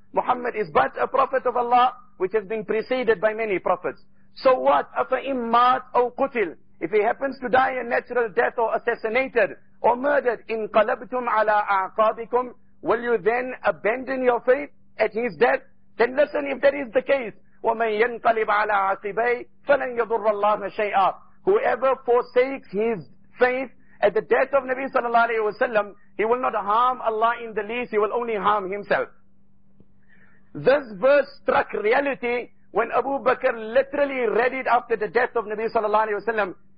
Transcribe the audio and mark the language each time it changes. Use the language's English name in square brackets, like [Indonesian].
[English] Muhammad is but a prophet of Allah, which has been preceded by many prophets. So what? [Arabic] أَفَإِن مَاتْ أَوْ قُتِلْ. [English] If he happens to die a natural death or assassinated or murdered, [Arabic] إِنْ قَلَبْتُمْ عَلَىٰ أَعْقَابِكُمْ, [English] will you then abandon your faith at his death? Then listen, if that is the case, [Arabic] وَمَنْ يَنْقَلِبْ عَلَىٰ عَقِبَيْهِ فَلَنْ يَضُرَّ اللَّهَ شَيْئًا. [English] Whoever forsakes his faith at the death of Nabi sallallahu alayhi wa sallam, he will not harm Allah in the least, he will only harm himself. This verse struck reality when Abu Bakr literally read it after the death of Nabi sallallahu alayhi wa sallam.